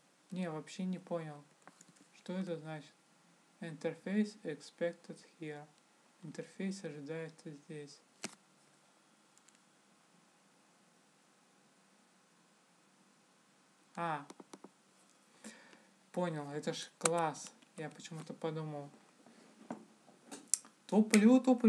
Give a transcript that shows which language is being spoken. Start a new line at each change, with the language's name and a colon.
Russian: Не, вообще не понял, что это значит.
English: Interface expected here.
Russian: Интерфейс ожидается здесь. А, понял, это ж класс. Я почему-то подумал. Туплю.